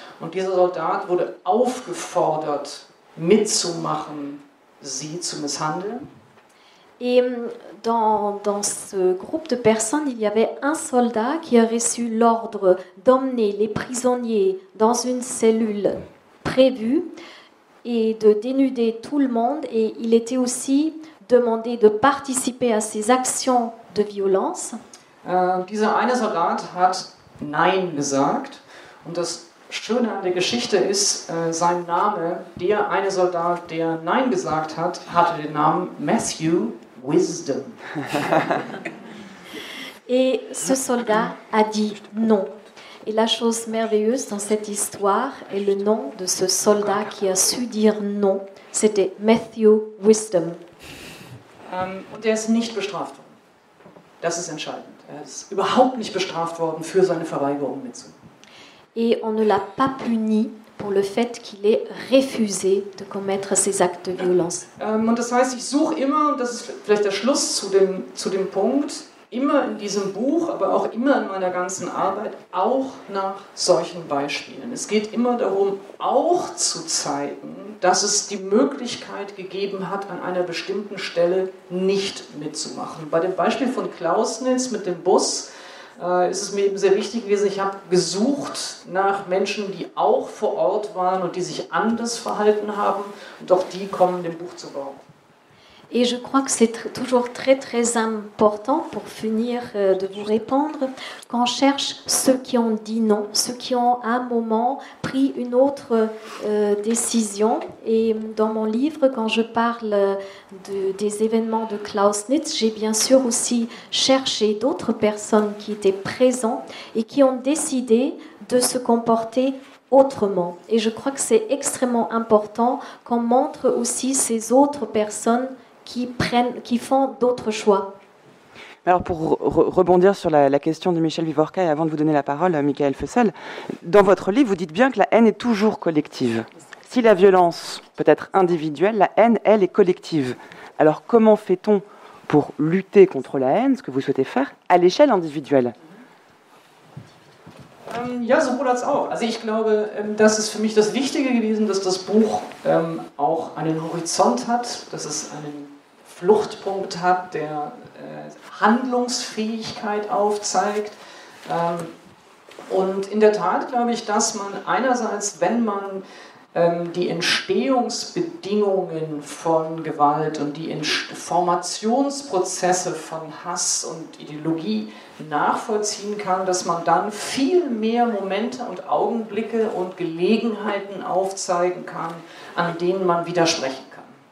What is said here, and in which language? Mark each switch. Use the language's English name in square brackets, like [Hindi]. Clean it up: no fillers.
[German] Und dieser Soldat wurde aufgefordert, mitzumachen, sie zu misshandeln. [French] Et dans ce groupe de personnes, il y avait un soldat qui a reçu l'ordre d'emmener les prisonniers dans une cellule prévue et de dénuder tout le monde. Et il était aussi demandé de participer à ces actions de violence. [German] Dieser eine Soldat hat Nein gesagt. Und das Schöne an der Geschichte ist, sein Name, der eine Soldat, der Nein gesagt hat, hatte den Namen Matthew Wisdom. [French] Et ce soldat a dit non. Et la chose merveilleuse dans cette histoire est le nom de ce soldat qui a su dire non. C'était Matthew Wisdom. [German] Und er ist nicht bestraft worden. Das ist entscheidend. Er ist überhaupt nicht bestraft worden für seine Verweigerung mitzunehmen. [French] Et on ne l'a pas puni pour le fait qu'il ait refusé de commettre ces actes de violence. [German] Und das heißt, ich suche immer, und das ist vielleicht der Schluss zu dem Punkt, immer in diesem Buch, aber auch immer in meiner ganzen Arbeit, auch nach solchen Beispielen. Es geht immer darum, auch zu zeigen, dass es die Möglichkeit gegeben hat, an einer bestimmten Stelle nicht mitzumachen. Bei dem Beispiel von Klausnitz mit dem Bus ist es mir eben sehr wichtig gewesen, ich habe gesucht nach Menschen, die auch vor Ort waren und die sich anders verhalten haben, doch die kommen dem Buch zu Wort. [French] Et je crois que c'est toujours très très important pour finir de vous répondre qu'on cherche ceux qui ont dit non, ceux qui ont à un moment pris une autre décision. Et dans mon livre, quand je parle des événements de Clausewitz, j'ai bien sûr aussi cherché d'autres personnes qui étaient présentes et qui ont décidé de se comporter autrement. Et je crois que c'est extrêmement important qu'on montre aussi ces autres personnes qui font d'autres choix. Alors pour rebondir sur la question de Michel Vivorca et avant de vous donner la parole, Michael Fessel, dans votre livre, vous dites bien que la haine est toujours collective. Si la violence peut être individuelle, la haine, elle, est collective. Alors comment fait-on pour lutter contre la haine, ce que vous souhaitez faire, à l'échelle individuelle ? [German] Ja, sowohl als auch. Also ich glaube, das ist für mich das Wichtige gewesen, dass das Buch auch einen Horizont hat, dass es einen Fluchtpunkt hat, der Handlungsfähigkeit aufzeigt. Und in der Tat glaube ich, dass man einerseits, wenn man die Entstehungsbedingungen von Gewalt und die Formationsprozesse von Hass und Ideologie nachvollziehen kann, dass man dann viel mehr Momente und Augenblicke und Gelegenheiten aufzeigen kann, an denen man widersprechen kann.